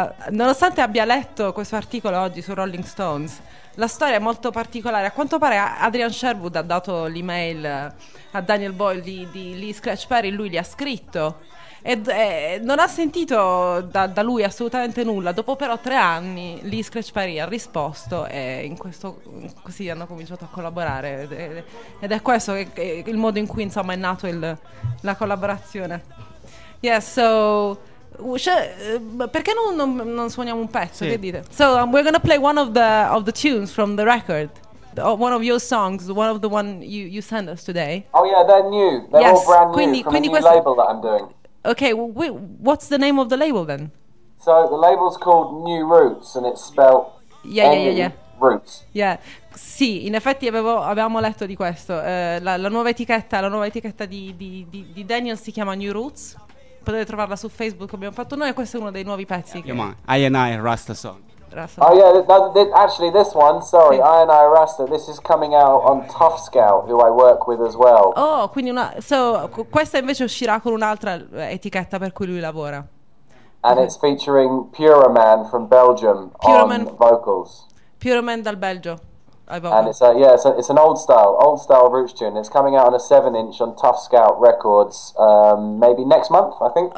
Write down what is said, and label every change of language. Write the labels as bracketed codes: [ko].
[it] Nonostante abbia letto questo articolo oggi su Rolling Stones, la storia è molto particolare. A quanto pare Adrian Sherwood ha dato l'email a Daniel Boyle di Lee Scratch Perry, lui gli ha scritto e non ha sentito da lui assolutamente nulla. Dopo però 3 anni Lee Scratch Perry ha risposto e in questo così hanno cominciato a collaborare, ed è questo il modo in cui insomma è nato la collaborazione. Perché non suoniamo un pezzo, che dite? [en] So we're gonna play one of the tunes from the record. One of your songs, one of the one you sent us today. Oh yeah, they're new. They're all brand new from a new label that I'm doing. Okay, what's the name of the label then? So the label's called New Roots and it's spelled Roots. [it] Yeah. Sì, in effetti avevamo letto di questo. La nuova etichetta di Daniel si chiama New Roots. Potete trovarla su Facebook, abbiamo fatto noi, e questo è uno dei nuovi pezzi. [en] I and I Rasta song. Oh yeah, actually this one, sorry, I and I Rasta, this is coming out on Tough Scout, who I work with as well. [it] Oh, quindi questa invece uscirà con un'altra etichetta per cui lui lavora. [en] And it's featuring Puraman from Belgium on vocals. [it] Puraman dal Belgio, I vote. [en] And it's an old style roots tune. It's coming out on a 7-inch on Tough Scout Records, maybe next month, I think.